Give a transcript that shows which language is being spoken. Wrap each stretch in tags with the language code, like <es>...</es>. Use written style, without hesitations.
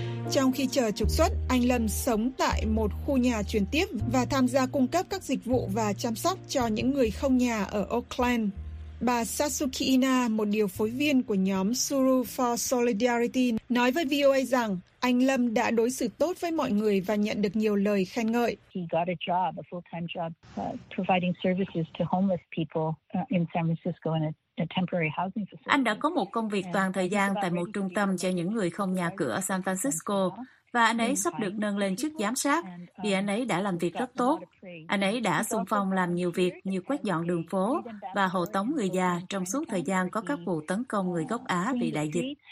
<vi>Trong khi chờ trục xuất, anh Lâm sống tại một khu nhà chuyển tiếp và tham gia cung cấp các dịch vụ và chăm sóc cho những người không nhà ở Oakland. Bà Sasuke Ina, một điều phối viên của nhóm Suru for Solidarity, nói với VOA rằng anh Lâm đã đối xử tốt với mọi người và nhận được nhiều lời khen ngợi.</vi> <en>He got a job, a full-time job, providing services to homeless people in San Francisco in a temporary housing facility.</en> <vi>Anh đã có một công việc toàn thời gian tại một trung tâm cho những người không nhà cửa ở San Francisco. Và anh ấy sắp được nâng lên chức giám sát vì anh ấy đã làm việc rất tốt. Anh ấy đã xung phong làm nhiều việc như quét dọn đường phố và hộ tống người già trong suốt thời gian có các vụ tấn công người gốc Á vì đại dịch.</vi>